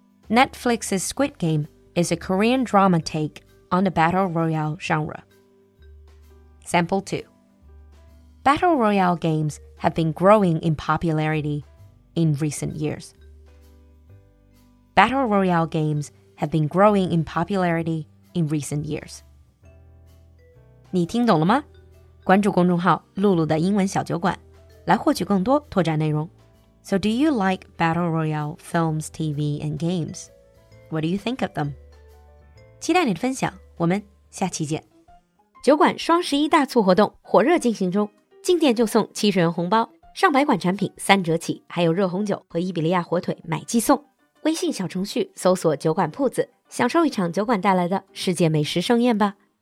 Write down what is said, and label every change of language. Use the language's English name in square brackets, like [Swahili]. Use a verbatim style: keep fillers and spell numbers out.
[English] Netflix's Squid Game is a Korean drama take on the battle royale genre. Sample two. Battle royale games have been growing in popularity in recent years. Battle royale games have been growing in popularity in recent years. [Chinese] 你听懂了吗？关注公众号露露的英文小酒馆来获取更多拓展内容。 [English] So do you like Battle Royale films, T V, and games? What do you think of them? [Chinese] 期待你的分享，我们下期见。酒馆双十一大促活动火热进行中，进店就送七十元红包，上百款产品三折起，还有热红酒和伊比利亚火腿买寄送。微信小程序搜索酒馆铺子，享受一场酒馆带来的世界美食盛宴吧。